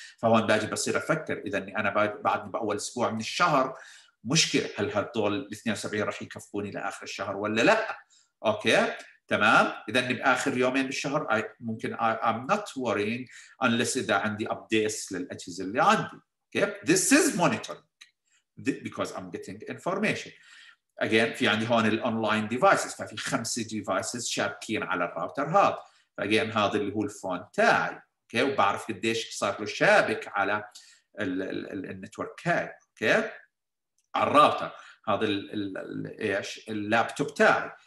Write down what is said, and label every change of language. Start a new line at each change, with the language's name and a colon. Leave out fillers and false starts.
Arabic: فهون باجي بصير أفكر إذا أني أنا بعدني بأول أسبوع من الشهر مشكلة, هل هالطول 72 رح يكفوني لآخر الشهر ولا لا؟ أوكي تمام. إذا أني بآخر يومين بالشهر ممكن
English: I'm not worrying unless
Arabic: إذا عندي updates للأجهزة اللي عندي.
English: Okay this is monitoring because I'm getting information.
Arabic: Again, في عندي هون الأونلاين ديفايسز, ففي 5 ديفايسز شابكين على الراوتر هذا. Again, هذا اللي هو الفون تاعي. Okay, وبعرف قديش صار له شابك على ال network هاي. Okay, الراوتر هذا ال إيش اللابتوب تاعي.